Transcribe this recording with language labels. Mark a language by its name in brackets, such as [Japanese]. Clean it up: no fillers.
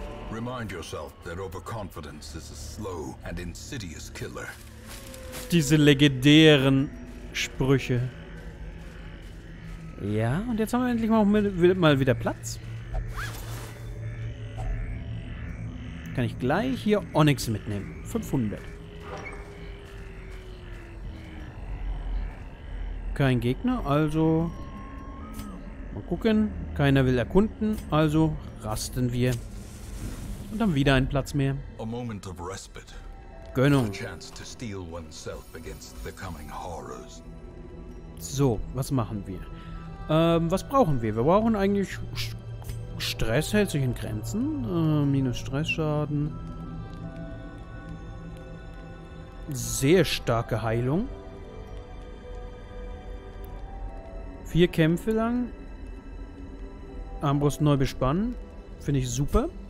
[English] Remind yourself that overconfidence is a slow and insidious killer. [German] Diese legendären Sprüche. Ja, und jetzt haben wir endlich mal wieder Platz. Kann ich gleich hier Onyx mitnehmen. 500. Kein Gegner, also... Mal gucken. Keiner will erkunden, also rasten wir. Und dann wieder ein Platz mehr. [English] A moment of respite. [German] Gönnung. [English] A chance to steel oneself against the coming horrors. [German] So, was machen wir? Was brauchen wir? Wir brauchen eigentlich... Stress hält sich in Grenzen. Minus Stressschaden. Sehr starke Heilung. 4 Kämpfe lang. Armbrust neu bespannen. Finde ich super.